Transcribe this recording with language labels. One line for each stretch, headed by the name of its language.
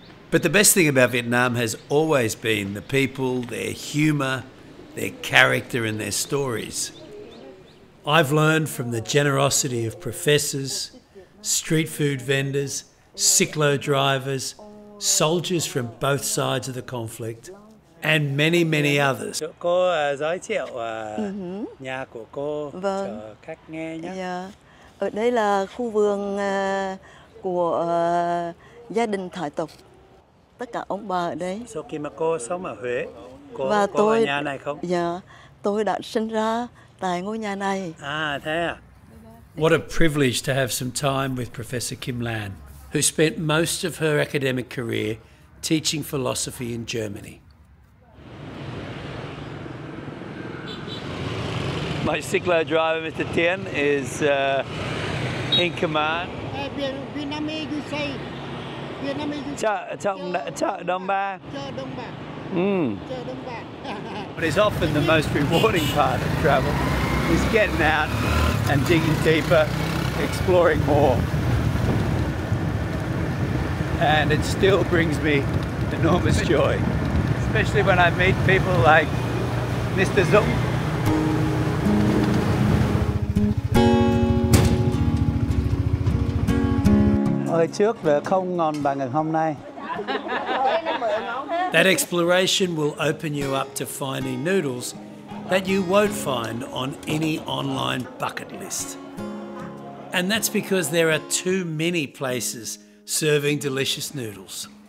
English: But the best thing about Vietnam has always been the people, their humour, their character and their stories. I've learned from the generosity of professors, street food vendors, Siklo drivers, soldiers from both sides of the conflict, and many, many others.
Vietnamese: Cô giới thiệu nhà của cô cho khách nghe nhé. Dạ. Ở đây là khu vườn của gia đình thoại tục. Tất cả ông bà ở đây. Sau khi mà cô sống ở Huế, cô có ở nhà này không? Dạ. Tôi đã sinh ra tại ngôi nhà này. À, thế à?
English: What a privilege to have some time with Professor Kim Lan, who spent most of her academic career teaching philosophy in Germany. My Siklo driver, Mr. Tien, is in command. But it's often the most rewarding part of travel is getting out and digging deeper, exploring more. And it still brings me enormous joy, especially when I meet people like Mr. Zung.
Vietnamese: Hồi trước là không ngon bằng hôm nay.
English: That exploration will open you up to finding noodles that you won't find on any online bucket list. And that's because there are too many places serving delicious noodles.